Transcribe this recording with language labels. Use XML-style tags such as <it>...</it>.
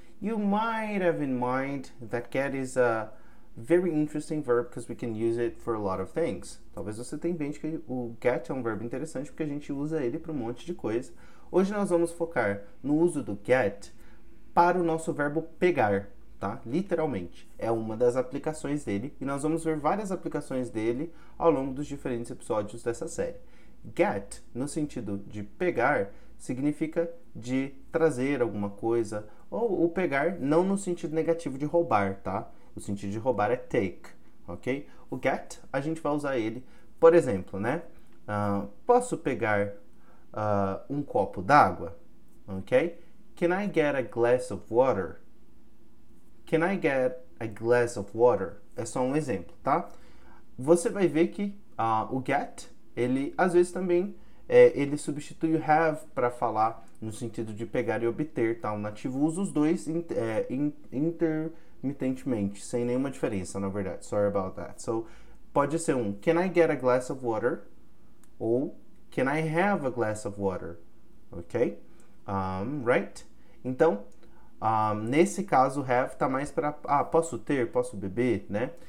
<en>You might have in mind that get is a very interesting verb because we can use it for a lot of things.</en> <pt>Talvez você tenha em mente que o get é um verbo interessante porque a gente usa ele para um monte de coisa. Hoje nós vamos focar no uso do get para o nosso verbo pegar, tá? Literalmente. É uma das aplicações dele e nós vamos ver várias aplicações dele ao longo dos diferentes episódios dessa série. Get, no sentido de pegar, significa de trazer alguma coisa, ou o pegar não no sentido negativo de roubar, tá? O sentido de roubar é take, ok? O get, a gente vai usar ele, por exemplo, né? Posso pegar um copo d'água, ok?</pt> <en>Can I get a glass of water? Can I get a glass of water?</en> <pt>É só um exemplo, tá? Você vai ver que o get, ele às vezes também ele substitui o have para falar no sentido de pegar e obter, tá? O nativo usa os dois intermitentemente, sem nenhuma diferença, na verdade.</pt> <en>Sorry about that. So,</en> <pt>pode ser um</pt> <en>can I get a glass of water? Ou can I have a glass of water? Ok? Right?</en> <pt>Então, nesse caso, have está mais para... Ah, posso ter? Posso beber? Né?</pt>